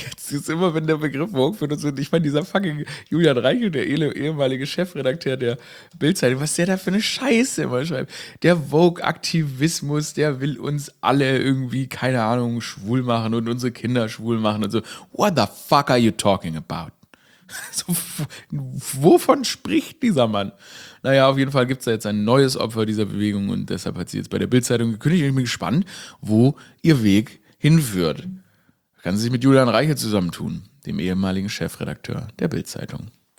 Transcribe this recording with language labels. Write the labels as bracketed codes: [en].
[de] Jetzt immer, wenn der Begriff Vogue benutzt wird, ich meine, dieser fucking Julian Reichel, der ehemalige Chefredakteur der Bild-Zeitung, was der da für eine Scheiße immer schreibt. Der Vogue-Aktivismus, der will uns alle irgendwie, keine Ahnung, schwul machen und unsere Kinder schwul machen und so. [en] What the fuck are you talking about? [de] So, wovon spricht dieser Mann? Naja, auf jeden Fall gibt es da jetzt ein neues Opfer dieser Bewegung und deshalb hat sie jetzt bei der Bild-Zeitung gekündigt. Ich bin gespannt, wo ihr Weg hinführt. Kann sie sich mit Julian Reichel zusammentun, dem ehemaligen Chefredakteur der Bild-Zeitung.